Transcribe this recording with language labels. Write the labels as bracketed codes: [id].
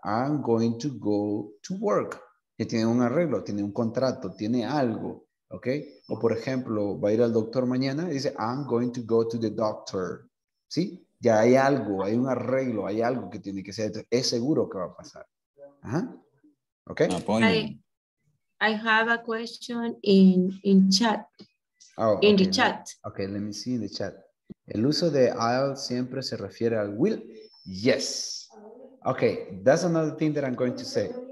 [en] I'm going to go to work. [es] Que tiene un arreglo, tiene un contrato, tiene algo, ¿ok? O por ejemplo, va a ir al doctor mañana, dice, I'm going to go to the doctor, ¿sí? Ya hay algo, hay un arreglo, hay algo que tiene que ser, es seguro que va a pasar. Ajá. ¿Ok? [en] I have a question in chat, the chat. Ok, let me see in the chat. [es] El uso de I'll siempre se refiere al will. [en] Yes. Ok, that's another thing that I'm going to say.